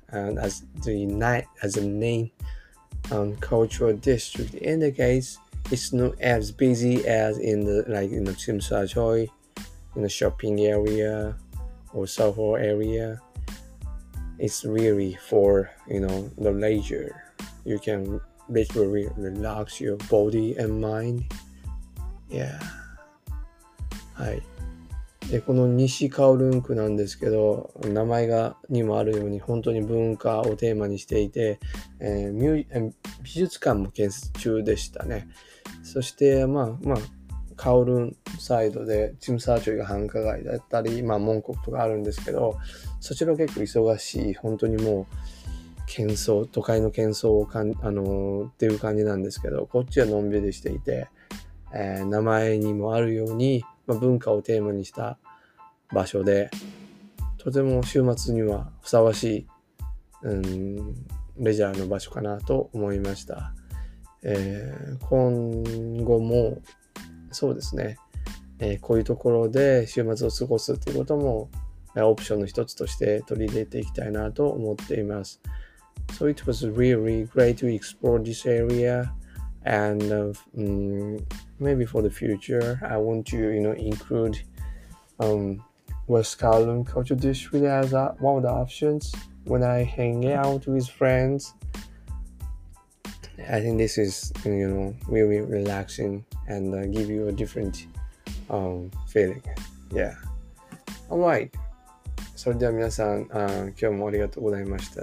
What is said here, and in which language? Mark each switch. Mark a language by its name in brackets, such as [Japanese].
[English] And as the name, cultural district indicates it's not as busy as in the like in the Tsim Sha Tsui in the shopping area or Soho area. It's really for you know the leisure. You can literally relax your body and mind. Yeah. はい。 [Japanese] でこの西カオルン区なんですけど、名前がにもあるように本当に文化をテーマにしていて、美術館も建設中でしたね。そしてまあカオルンサイドでチムサーチョイが繁華街だったり、まあモンコクとかあるんですけど、そちら結構忙しい、本当にもう喧騒、都会の喧騒をっていう感じなんですけど、こっちはのんびりしていて、名前にもあるように。文化をテーマにした場所で、とても週末にはふさわしい、レジャーの場所かなと思いました。今後も、そうですね、こういうところで週末を過ごすということも、オプションの一つとして取り入れていきたいなと思っています。 [English] So it was really great to explore this area. And maybe for the future, I want to, you know, include West Kowloon Culture District as one of the options when I hang out with friends. I think this is, you know, really relaxing and give you a different feeling. Yeah. All right. [Japanese] それでは皆さん、今日もありがとうございました。